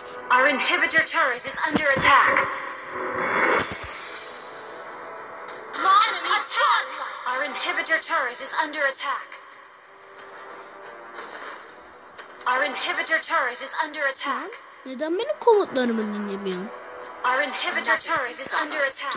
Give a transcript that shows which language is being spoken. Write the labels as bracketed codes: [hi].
[en] Our inhibitor turret is under attack. Launch attack! Our inhibitor turret is under attack. Our inhibitor turret is under attack. [tr] Neden benim komutlarımı dinlemiyorsun? [en] Our inhibitor turret is under attack.